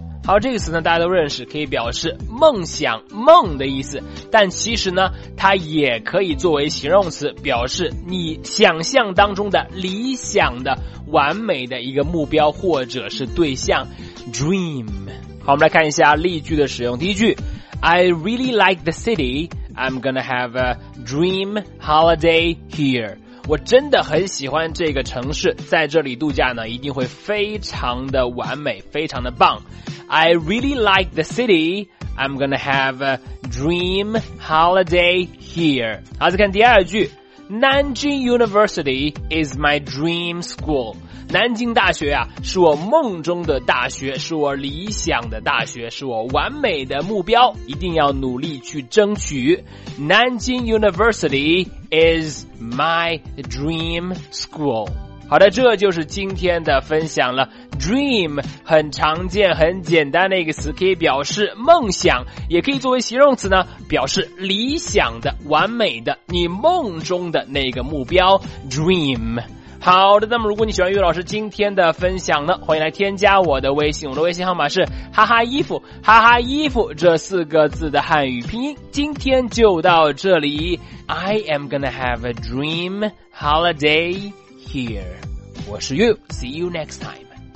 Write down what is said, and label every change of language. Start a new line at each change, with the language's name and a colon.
Chinese: 好，这个词呢大家都认识，可以表示梦想梦的意思，但其实呢它也可以作为形容词，表示你想象当中的理想的完美的一个目标或者是对象， Dream。好，我们来看一下例句的使用。第一句，
English: I really like the city. I'm gonna have a dream holiday here.
Chinese: 我真的很喜欢这个城市，在这里度假呢，一定会非常的完美，非常的棒。
English: I really like the city. I'm gonna have a dream holiday here.
Chinese: 好，再看第二句。
English: Nanjing University is my dream school.
Chinese: 南京大学啊，是我梦中的大学，是我理想的大学，是我完美的目标，一定要努力去争取。
English: Nanjing University is my dream school.
Chinese: 好的，这就是今天的分享了。Dream 很常见、很简单的一个词，可以表示梦想，也可以作为形容词呢，表示理想的、完美的、你梦中的那个目标。
English: Dream。
Chinese: 好的，那么如果你喜欢岳老师今天的分享呢，欢迎来添加我的微信，我的微信号码是哈哈衣服，哈哈衣服这四个字的汉语拼音。今天就到这里，
English: I am gonna have a dream holiday here.
Chinese: 我是
English: You, see you next time.